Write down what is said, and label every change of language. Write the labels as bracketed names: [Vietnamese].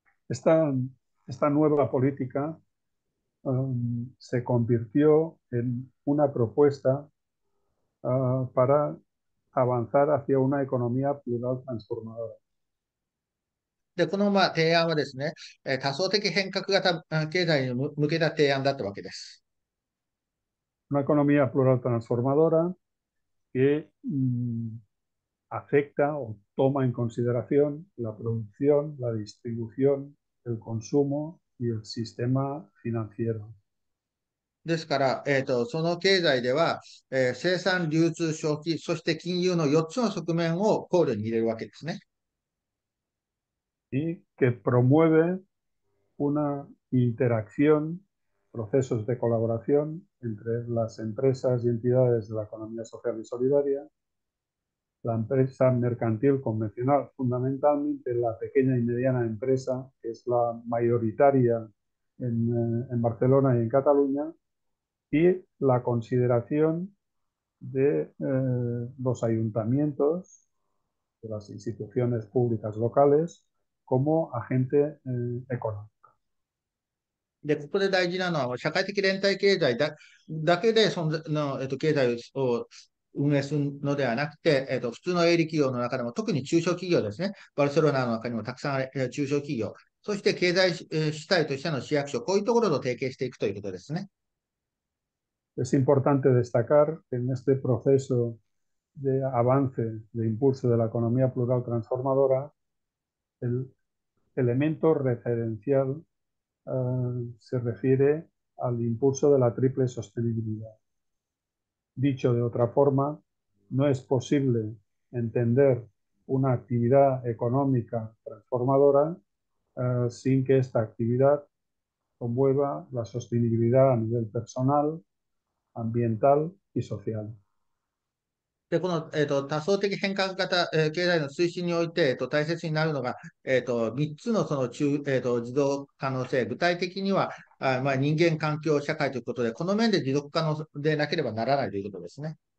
[Spanish] Esta nueva política se convirtió en una propuesta para avanzar hacia una economía plural transformadora. [Japanese] で、この、まあ、提案はですね、多層的変革型経済に向けた提案だったわけです。 [Spanish] Una economía plural transformadora que afecta o toma en consideración la producción, la distribución, el consumo y el sistema financiero. [Japanese] ですから、その経済では、生産、流通、消費、そして金融の4つの側面を考慮に入れるわけですね。 [Spanish] Y que promueve una interacción, procesos de colaboración entre las empresas y entidades de la economía social y solidaria. La empresa mercantil convencional, fundamentalmente la pequeña y mediana empresa, que es la mayoritaria en Barcelona y en Cataluña, y la consideración de los ayuntamientos, de las instituciones públicas locales, como agente económico. [Japanese] で、ここで大事なのは、社会的連帯経済だけでその経済を運営するのではなくて、普通の営利企業の中でも、特に中小企業ですね、バルセロナの中にもたくさんある中小企業、そして経済主体としての市役所、こういうところと提携していくということですね。 [Spanish] Es importante destacar que en este proceso de avance, de impulso de la economía plural transformadora, el elemento referencial, se refiere al impulso de la triple sostenibilidad. Dicho de otra forma, no es posible entender una actividad económica transformadora, sin que esta actividad promueva la sostenibilidad a nivel personal, ambiental y social. [Japanese] で、この、多層的変革型、経済の推進において、大切になるのが、3つのその中、持続可能性、具体的には、まあ、人間、環境、社会ということで、この面で持続可能でなければならないということですね。